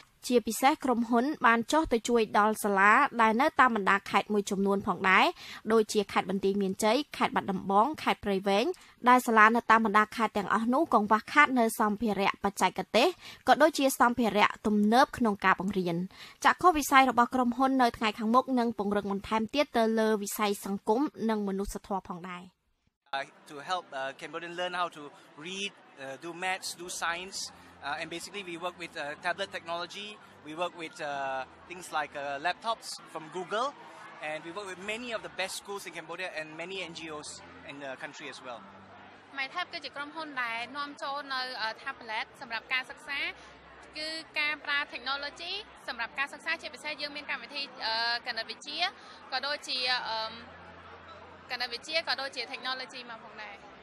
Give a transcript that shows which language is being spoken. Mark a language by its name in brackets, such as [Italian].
[Khmer] ជាពិសេសក្រុមហ៊ុនបានចុះទៅជួយដល់សាលាដែលនៅតាមបណ្ដាខេត្តមួយចំនួនផងដែរដូចជាខេត្តបន្ទាយមានជ័យខេត្តបាត់ដំបងខេត្តព្រៃវែងដែលសាលានៅតាមបណ្ដាខេត្តទាំងអស់នោះកង្វះខាតនៅសម្ភារៈបច្ចេកទេសក៏ដូចជាសម្ភារៈទំនើបក្នុងការបង្រៀនចក្ខុវិស័យរបស់ក្រុមហ៊ុននៅថ្ងៃខាងមុខនឹងពង្រឹងបន្ថែមទៀតទៅលើវិស័យសង្គមនិងមនុស្សធម៌ផងដែរ [English] To help Cambodians learn how to read, do maths, do science, and basically we work with tablet technology. We work with things like laptops from Google, and we work with many of the best schools in Cambodia and many NGOs in the country as well. My tablet is a group of people who are using the tablet for learning. [Khmer] គឺការប្រើ technology សម្រាប់ការសិក្សាជាពិសេសយើងមានកម្មវិធីគណិតវិទ្យាក៏ដូចជាគណិតវិទ្យាក៏ដូចជា technology មកផងដែរ